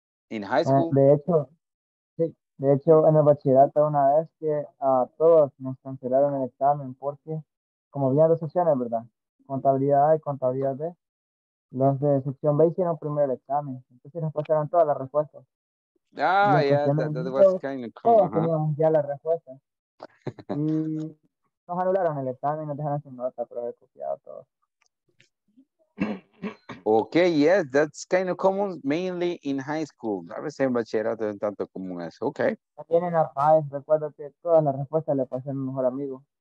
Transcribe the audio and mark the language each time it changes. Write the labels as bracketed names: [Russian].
[English] In high school? [Spanish] De hecho, sí. De hecho, en el bachillerato una vez que a todos nos cancelaron el examen porque, como vía de sesiones, ¿verdad? Contabilidad A y contabilidad B. Los de sección B hicieron primero el examen. Entonces nos pasaron todas las respuestas. [English] Ah, ya, yeah, that was kind of cool. [Spanish] Todos teníamos ya las respuestas. Y nos anularon el examen, nos dejaron sin nota, pero he copiado todo. [English] Ok, yes, that's kind of common, mainly in high school. [Spanish] A veces en bachillerato es tanto común eso, ok. También en la PAES, recuerdo que todas las respuestas le pasé a mi mejor amigo.